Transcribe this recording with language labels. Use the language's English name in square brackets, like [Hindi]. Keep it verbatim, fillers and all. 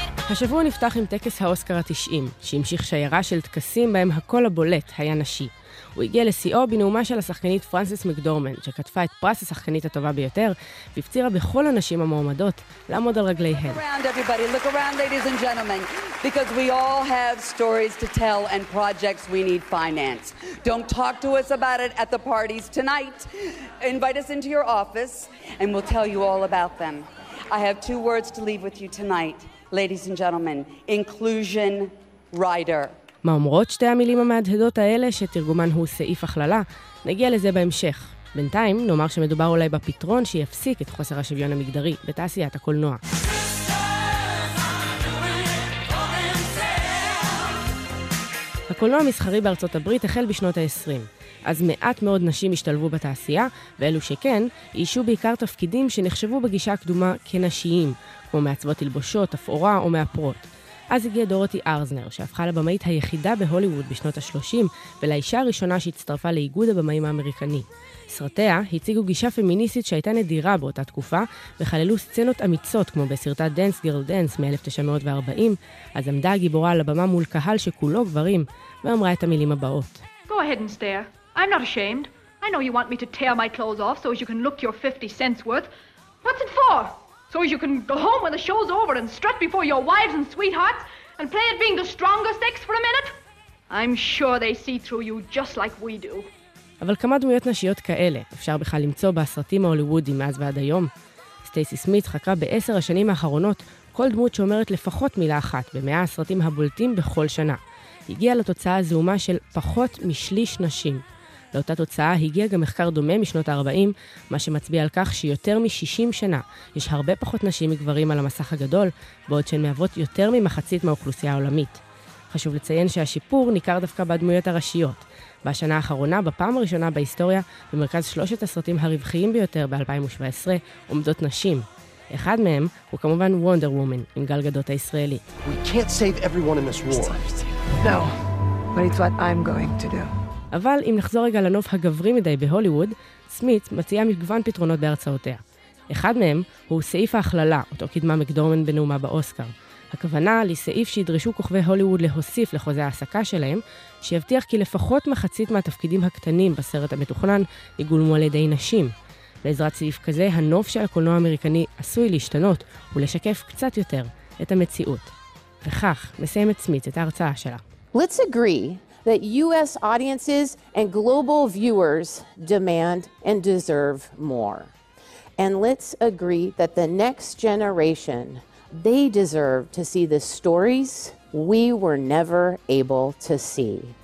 [Hebrew] השבוע נפתח עם טקס האוסקר ה-תשעים, שהמשיך שיירה של טקסים בהם הקול הבולט היה נשי. הוא הגיע לשיאו בנאומה של השחקנית פרנסס מקדורמן, שכתבה את פרס השחקנית הטובה ביותר, והפצירה בכל הנשים המועמדות לעמוד על רגליהן. [English] Look around everybody, look around ladies and gentlemen, because we all have stories to tell and projects we need finance. Don't talk to us about it at the parties tonight. Invite us into your office and we'll tell you all about them. I have two words to leave with you tonight. Ladies and gentlemen, inclusion rider. [Hebrew] מה אומרות שתי המילים המהדהדות האלה שתרגומן הוא סעיף הכללה? נגיע לזה בהמשך. בינתיים נאמר שמדובר אולי בפתרון שיפסיק את חוסר השוויון המגדרי בתעשיית הקולנוע. הקולנוע המסחרי בארצות הברית החל בשנות ה-עשרים. אז מעט מאוד נשים השתלבו בתעשייה, ואלו שכן, אישו בעיקר תפקידים שנחשבו בגישה הקדומה כנשיים, כמו מעצבות תלבושות, אפורה או מאפרות. אז הגיעה דורותי ארזנר, שהפכה לבמאית היחידה בהוליווד בשנות ה-שלושים, ולאישה הראשונה שהצטרפה לאיגוד הבמאים האמריקני. סרטיה הציגו גישה פמיניסטית שהייתה נדירה באותה תקופה, וחללו סצנות אמיצות כמו בסרטה "Dance Girl Dance" מ-אלף תשע מאות וארבעים, אז עמדה הגיבורה על הבמה מול קהל שכולו גברים, ואמרה את המילים הבאות. [English] Go ahead and stare. I'm not ashamed. I know you want me to tear my clothes off so as you can look your fifty cents worth. What's it for? So as you can go home when the show's over and strut before your wives and sweethearts and play at being the stronger sex for a minute? I'm sure they see through you just like we do. [Hebrew] אבל כמה דמויות נשיות כאלה אפשר בכלל למצוא בסרטים ההוליוודיים מאז ועד היום? סטייסי סמית חקרה בעשר השנים האחרונות כל דמות שאומרת לפחות מילה אחת במאה הסרטים הבולטים בכל שנה. הגיעה לתוצאה הזעומה של פחות משליש נשים. לאותה תוצאה הגיע גם מחקר דומה משנות ה-ארבעים, מה שמצביע על כך שיותר מ-שישים שנה יש הרבה פחות נשים מגברים על המסך הגדול, בעוד שהן מהוות יותר ממחצית מהאוכלוסייה העולמית. חשוב לציין שהשיפור ניכר דווקא בדמויות הראשיות. בשנה האחרונה, בפעם הראשונה בהיסטוריה, במרכז שלושת הסרטים הרווחיים ביותר ב-אלפיים שבע עשרה, עומדות נשים. אחד מהם הוא כמובן וונדר וומן, עם גל גדות הישראלי. [English] We can't save everyone in this war. No, but it's what I'm going to do. [Hebrew] אבל אם נחזור רגע לנוף הגברי מדי בהוליווד, סמית מציעה מגוון פתרונות בהרצאותיה. אחד מהם הוא סעיף ההכללה, אותו קידמה מקדורמן בנאומה באוסקר. הכוונה לסעיף שידרשו כוכבי הוליווד להוסיף לחוזה העסקה שלהם, שיבטיח כי לפחות מחצית מהתפקידים הקטנים בסרט המתוכנן יגולמו על ידי נשים. בעזרת סעיף כזה, הנוף של הקולנוע האמריקני עשוי להשתנות ולשקף קצת יותר את המציאות. וכך מסיימת סמית את ההרצאה שלה. [English] Let's agree that U S audiences and global viewers demand and deserve more. And let's agree that the next generation, they deserve to see the stories we were never able to see.